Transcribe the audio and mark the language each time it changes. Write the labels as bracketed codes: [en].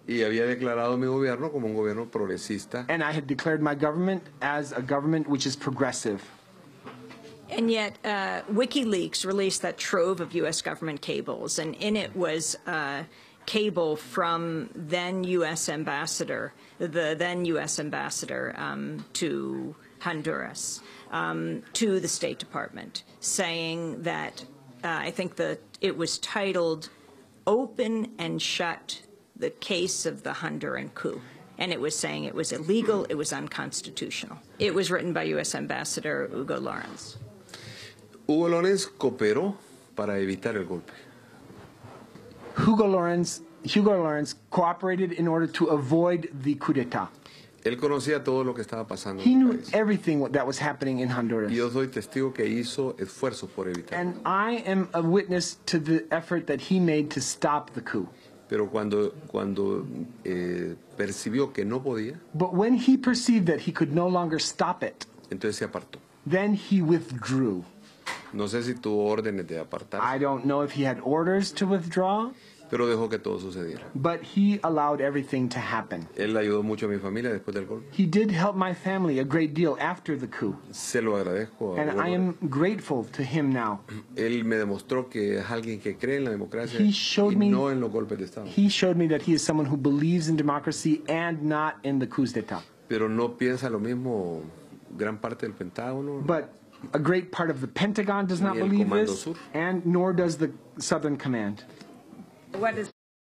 [es] Y había declarado mi gobierno como un gobierno progresista. [en] And I had declared my government as a government which is progressive. And yet, WikiLeaks released that trove of U.S. government cables, and in it was a cable from then U.S. ambassador, the then U.S. ambassador to Honduras, to the State Department, saying that I think that it was titled "Open and Shut: The Case of the Honduran Coup." And it was saying it was illegal, it was unconstitutional. It was written by U.S. Ambassador Hugo Lawrence. [es] Hugo Lawrence cooperó para evitar el golpe. [en] Hugo Lawrence cooperated in order to avoid the coup d'etat. [es] Él conocía todo lo que estaba pasando. [en] He knew everything that was happening in Honduras. [es] Y yo soy testigo que hizo esfuerzos por evitar. [en] And I am a witness to the effort that he made to stop the coup. [es] Pero cuando percibió que no podía. [en] But when he perceived that he could no longer stop it. [es] Entonces se apartó. [en] Then he withdrew. [es] No sé si tuvo órdenes de apartarse. [en] I don't know if he had orders to withdraw. [es] Pero dejó que todo sucediera. [en] But he allowed everything to happen. [es] Él ayudó mucho a mi familia después del golpe. [en] He did help my family a great deal after the coup. [es] Se lo agradezco. [en] And I am grateful to him now. [es] Él me demostró que es alguien que cree en la democracia y no en los golpes de Estado. [en] He showed me that he is someone who believes in democracy and not in the coups d'etat. [es] Pero no piensa lo mismo gran parte del Pentágono. [en] But a great part of the Pentagon does not believe this, [es] Sur. [en] And nor does the Southern Command. What is